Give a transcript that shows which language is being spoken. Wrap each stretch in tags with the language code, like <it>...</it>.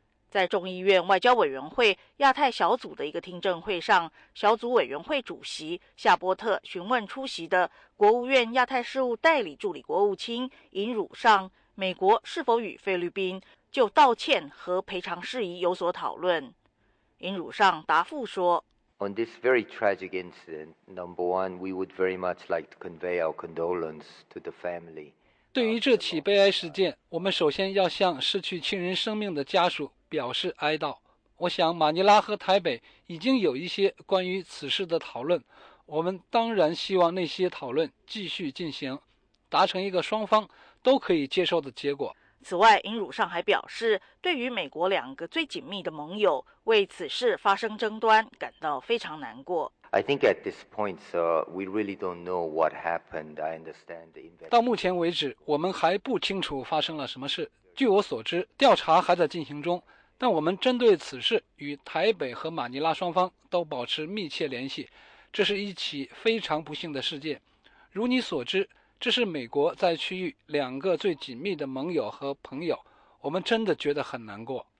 <zh>在众议院外交委员会亚太小组的一个听证会上，小组委员会主席夏波特询问出席的国务院亚太事务代理助理国务卿尹汝上，美国是否与菲律宾就道歉和赔偿事宜有所讨论。尹汝上答复说，</zh> <en>On this very tragic incident, number one, we would very much like to convey our condolence to the family.</en> <zh>对于这起悲哀事件，我们首先要向失去亲人生命的家属表示哀悼。我想马尼拉和台北已经有一些关于此事的讨论，我们当然希望那些讨论继续进行，达成一个双方都可以接受的结果。此外，尹汝上还表示，对于美国两个最紧密的盟友为此事发生争端感到非常难过。</zh> <en>I think at this point, sir, we really don't know what happened. I understand the investigation.</en> <zh>到目前为止，我们还不清楚发生了什么事。据我所知，调查还在进行中，但我们针对此事与台北和马尼拉双方都保持密切联系。这是一起非常不幸的事件。如你所知，这是美国在区域两个最紧密的盟友和朋友，我们真的觉得很难过。</zh>